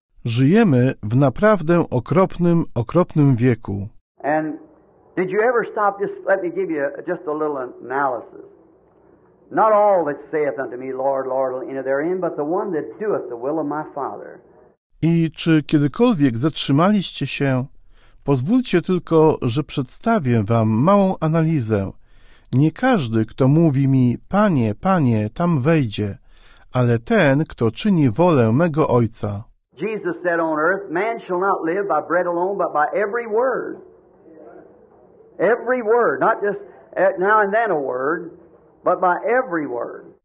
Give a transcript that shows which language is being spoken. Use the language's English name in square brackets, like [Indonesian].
[Polish] Żyjemy w naprawdę okropnym wieku. [English] And did you ever stop? Just let me give you just a little analysis. Not all that saith unto me, Lord, Lord, will enter therein, but the one that doeth the will of my Father. [Polish] I czy kiedykolwiek zatrzymaliście się? Pozwólcie tylko, że przedstawię wam małą analizę. Nie każdy, kto mówi mi, Panie, Panie, tam wejdzie, ale ten, kto czyni wolę mego Ojca. [English] Jesus said on earth, man shall not live by bread alone, but by every word. Every word, not just now and then a word, but by every word.